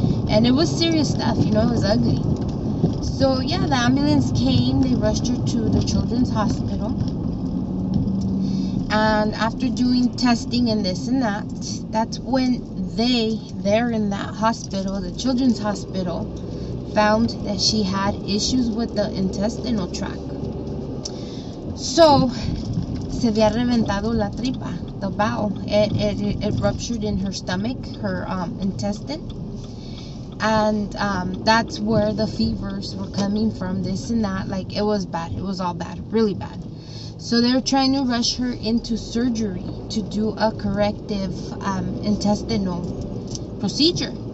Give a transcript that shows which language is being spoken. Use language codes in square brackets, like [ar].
[en] And it was serious stuff, you know, it was ugly. So yeah, the ambulance came, they rushed her to the children's hospital. And after doing testing and this and that, that's when they, there in that hospital, the children's hospital, found that she had issues with the intestinal tract. [es] So, se había reventado la tripa, [en] the bowel. It ruptured in her stomach, her intestine. And that's where the fevers were coming from, this and that. Like, it was bad. It was all bad, really bad. So they were trying to rush her into surgery to do a corrective intestinal procedure.